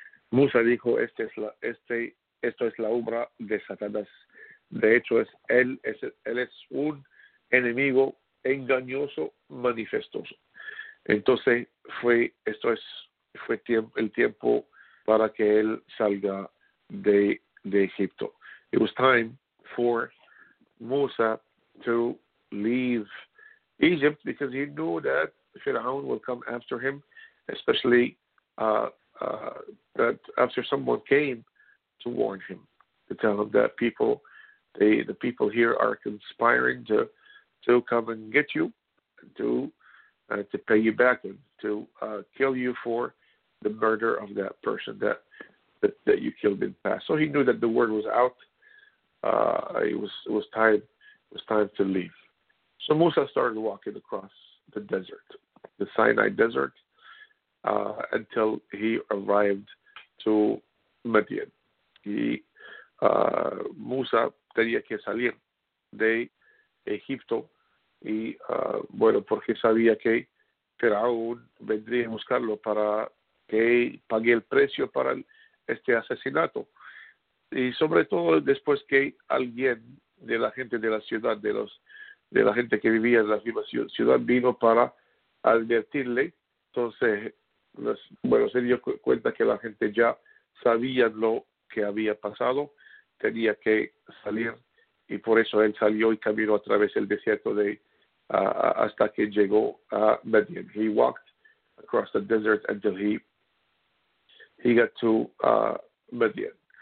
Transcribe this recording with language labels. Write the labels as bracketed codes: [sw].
[es] Musa dijo, esto es la obra de Satanás. De hecho, él es un enemigo engañoso manifestoso. Entonces fue el tiempo para que él salga de Egipto. [en] It was time for Musa to leave Egypt because he knew that Pharaoh would come after him, especially that after someone came to warn him, to tell him that the people here are conspiring to come and get you, to pay you back and to kill you for the murder of that person that you killed in the past. So he knew that the word was out. It was time to leave. So Musa started walking across the desert, the Sinai desert, until he arrived to Midian. [es] Y Musa tenía que salir de Egipto y porque sabía que Faraón vendría a buscarlo para que pague el precio para este asesinato. Y sobre todo después que alguien de la gente de la ciudad, de la gente que vivía en la misma ciudad, vino para advertirle. Entonces, se dio cuenta que la gente ya sabía lo que había pasado, tenía que salir, y por eso él salió y caminó a través del desierto hasta que llegó a Midian. [en] He walked across the desert until he got to Midian.